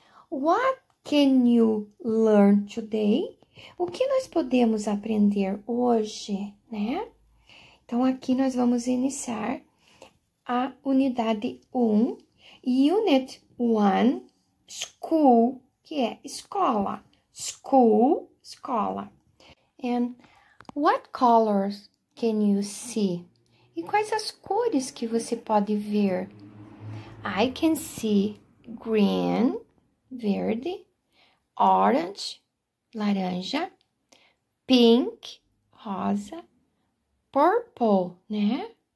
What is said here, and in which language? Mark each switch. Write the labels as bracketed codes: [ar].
[en] What can you learn today? [pt] O que nós podemos aprender hoje, né? Então aqui nós vamos iniciar a unidade 1, Unit 1, School, que é escola. School, escola. [en] And what colors can you see? [pt] E quais as cores que você pode ver? [en] I can see green, [pt] verde, [en] orange, [pt] laranja, [en] pink, [pt] rosa, [en] purple, [pt] né?